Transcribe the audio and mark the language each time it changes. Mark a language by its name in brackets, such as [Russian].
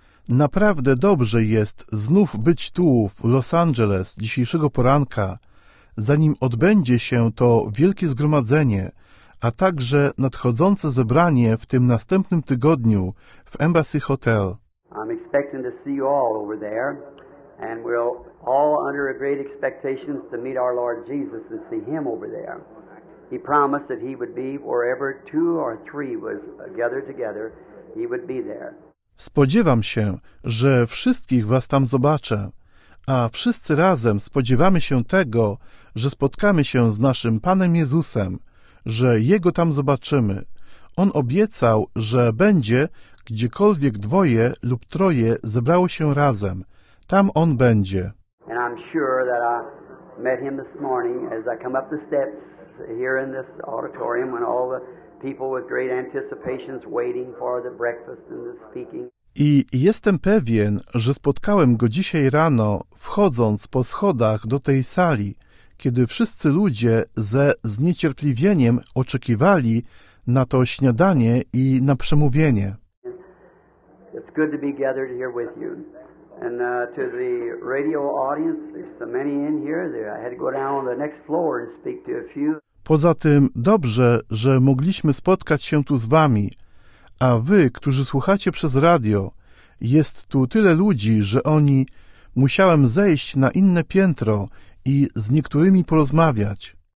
[Polish] Naprawdę dobrze jest znów być tu w Los Angeles dzisiejszego poranka, zanim odbędzie się to wielkie zgromadzenie, a także nadchodzące zebranie w tym następnym tygodniu w Embassy Hotel. [English] I'm expecting to see you all over there, and we're all under a great expectation to meet our Lord Jesus and see Him over there. He promised that He would be wherever two or three was gathered together, He would be there. [Polish] Spodziewam się, że wszystkich was tam zobaczę, a wszyscy razem spodziewamy się tego, że spotkamy się z naszym Panem Jezusem, że Jego tam zobaczymy. On obiecał, że będzie, gdziekolwiek dwoje lub troje zebrało się razem. Tam On będzie. [English] And I'm sure that I met Him this morning as I come up the steps here in this auditorium when all the people with great anticipations waiting for the breakfast and the speaking. [Polish] I jestem pewien, że spotkałem Go dzisiaj rano, wchodząc po schodach do tej sali, kiedy wszyscy ludzie ze zniecierpliwieniem oczekiwali na to śniadanie i na przemówienie. [English] It's good to be gathered here with you. And to the radio audience, there's so many in here that I had to go down on the next floor and speak to a few. [Polish] Poza tym dobrze, że mogliśmy spotkać się tu z wami. A wy, którzy słuchacie przez radio, jest tu tyle ludzi, że oni musiałem zejść na inne piętro i z niektórymi porozmawiać.